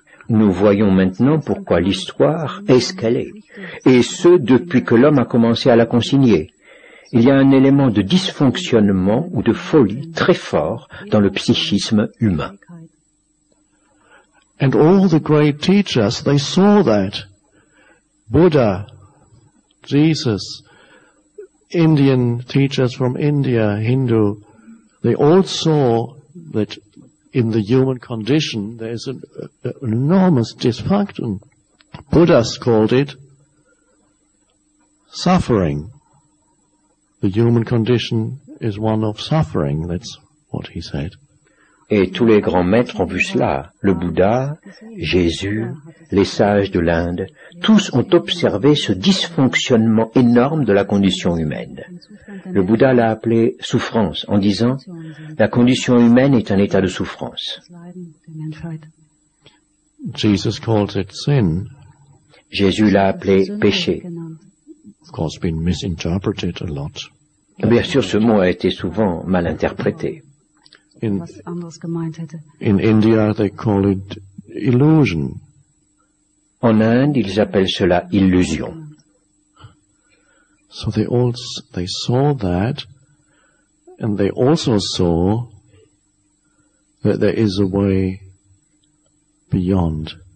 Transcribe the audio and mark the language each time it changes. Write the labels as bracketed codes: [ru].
[fr] Nous voyons maintenant pourquoi l'histoire est ce qu'elle est, et ce depuis que l'homme a commencé à la consigner. Il y a un élément de dysfonctionnement ou de folie très fort dans le psychisme humain. [en] And all the great teachers, they saw that. Buddha, Jesus, Indian teachers from India, Hindu, they all saw that in the human condition there is an enormous dysfunction. Buddhas called it suffering. The human condition is one of suffering, that's what he said. [fr] Et tous les grands maîtres ont vu cela. Le Bouddha, Jésus, les sages de l'Inde, tous ont observé ce dysfonctionnement énorme de la condition humaine. Le Bouddha l'a appelé souffrance en disant « La condition humaine est un état de souffrance. » [en] Jesus called it sin. [fr] Jésus l'a appelé péché. [en] Of course, been misinterpreted a lot. [fr] Bien sûr, ce mot a été souvent mal interprété. [en] In India, they call it illusion. [fr] En Inde, ils appellent cela illusion. [en] So they saw that, and they also saw that there is a way beyond.